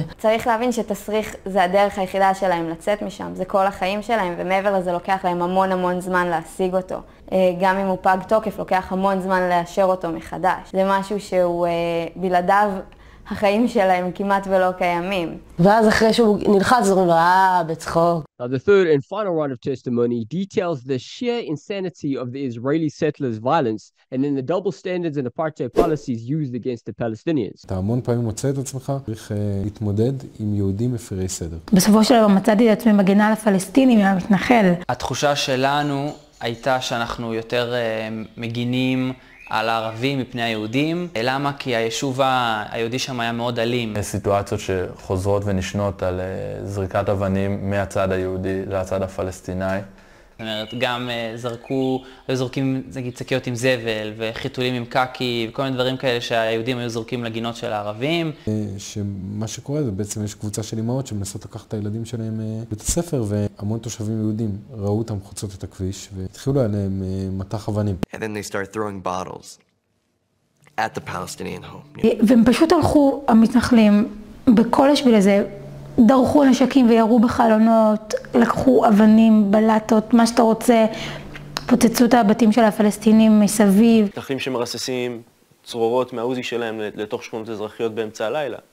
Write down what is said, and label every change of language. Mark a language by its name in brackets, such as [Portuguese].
[Hebrew] צריך להבין שתסריך זה הדרך היחידה שלהם לצאת משם, זה כל החיים שלהם, ומעבר לזה לוקח להם המון המון זמן להשיג אותו. גם אם הוא פג תוקף, לוקח המון זמן לאשר אותו מחדש. זה משהו שהוא בלעדיו... החיים שלהם כמעט ולא קיימים. ואז אחרי שהוא נלחץ, הוא אומר, בצחוק. [English] Now the third and final round of testimony details the sheer insanity of the Israeli settlers' violence and then the double standards and apartheid policies used against the Palestinians. [Hebrew] אתה המון פעמים מוצא את עצמך, צריך להתמודד עם יהודים מפרי סדר. בסופו של דבר מצאתי את עצמי מגנה לפלסטינים, עם המתנחל. התחושה שלנו הייתה שאנחנו יותר מגינים על הערבים מפני היהודים. למה? כי היישוב היהודי שם היה מאוד אלים. יש סיטואציות שחוזרות ונשנות על זריקת אבנים מהצד היהודי לצד הפלסטיני. זאת אומרת, גם זרקו, היו זורקים, נגיד, שקיות עם זבל וחיתולים עם קקי וכל מיני דברים כאלה שהיהודים היו זורקים לגינות של הערבים. שמה שקורה זה בעצם יש קבוצה של אמהות שמנסות לקחת את הילדים שלהם בית הספר, והמון תושבים יהודים ראו אותם חוצות את הכביש והתחילו עליהם מטח אבנים. [English] And then they start throwing bottles at the Palestinian home. [Hebrew] והם פשוט הלכו, המתנחלים, בכל השביל הזה, דרכו נשקים וירו בחלונות, לקחו אבנים, בלטות, מה שאתה רוצה, פוצצו את הבתים של הפלסטינים מסביב. מתנחלים שמרססים צרורות מהאוזי שלהם לתוך שכונות אזרחיות באמצע הלילה.